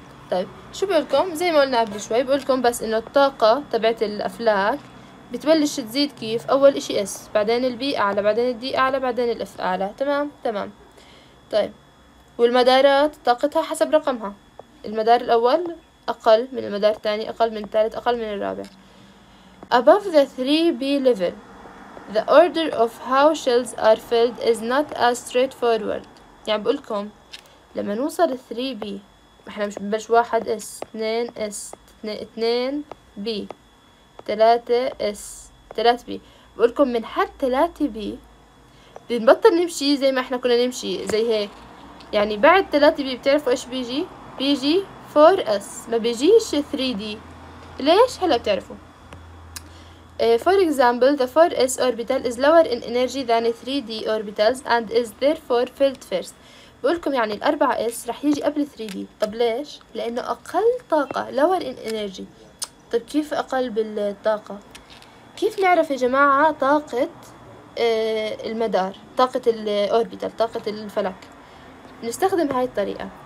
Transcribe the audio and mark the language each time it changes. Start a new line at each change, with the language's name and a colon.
Arabic: طيب شو بقولكم؟ زي ما قلنا قبل شوي بقولكم بس انه الطاقة تبعت الافلاك بتبلش تزيد كيف؟ اول اشي s، بعدين ال b اعلى، بعدين ال d اعلى، بعدين ال f اعلى. تمام طيب، والمدارات طاقتها حسب رقمها، المدار الأول أقل من المدار الثاني، أقل من الثالث، أقل من الرابع.
English: Above the 3B level, the order of how shells are filled is not as straightforward.
Arabic: يعني بقولكم لما نوصل 3B، احنا مش بنبلش 1S 2S 2B 3S 3B، بقولكم من حد 3B بنبطل نمشي زي ما احنا كنا نمشي زي هيك. يعني بعد 3B بتعرفوا ايش بيجي؟ بيجي 4S، ما بيجيش 3D. ليش؟ هلا بتعرفوا.
English: For example, the 4s orbital is lower in energy than 3d orbitals and is therefore filled first.
Arabic: بقولكم يعني الأربعة s رح يجي قبل 3d. طب ليش؟ لأنه أقل طاقة،
English: lower in energy.
Arabic: طب كيف أقل بالطاقة؟ كيف نعرف يا جماعة طاقة المدار، طاقة الأوربيتال، طاقة الفلك؟ نستخدم هاي الطريقة.